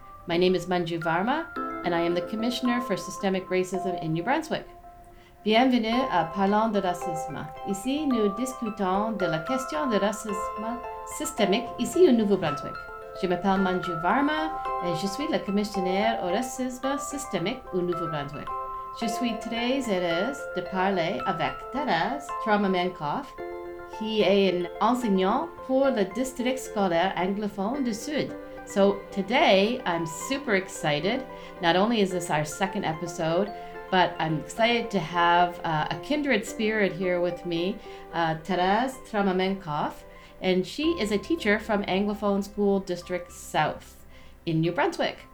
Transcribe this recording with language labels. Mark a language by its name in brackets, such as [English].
[English] My name is Manju Varma, and I am the Commissioner for Systemic Racism in New Brunswick. [French] Bienvenue à Parlons de Racisme. Ici, nous discutons de la question de racisme systémique ici au Nouveau-Brunswick. Je m'appelle Manju Varma et je suis la commissionnaire au racisme systémique au Nouveau-Brunswick. Je suis très heureuse de parler avec Therese Trofimencoff, qui est une enseignante pour le district scolaire anglophone du Sud. [English] So today, I'm super excited. Not only is this our second episode, but I'm excited to have a kindred spirit here with me, Therese Trofimencoff, and she is a teacher from Anglophone School District South in New Brunswick.